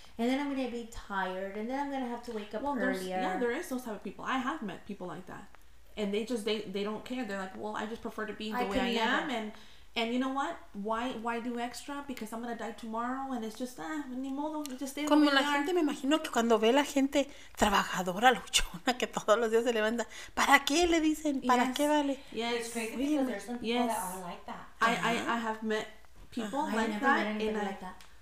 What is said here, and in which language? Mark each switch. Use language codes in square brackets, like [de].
[en] And then I'm going to be tired, and then I'm going to have to wake up earlier. Yeah, there is those type of people. I have met people like that. And they just, they don't care. They're like, well, I just prefer to be the way I am. And you know what? Why do extra? Because I'm going to die tomorrow, and it's just, [es] ni modo, [en] just stay the way you are. [es] Como la gente, me imagino que cuando ve la gente trabajadora, luchona, que todos los días se levanta, ¿para qué le dicen? ¿Para qué vale? [en] Yes. It's crazy, because there's some people that are like that. I have met people like that. I've never met anybody like that.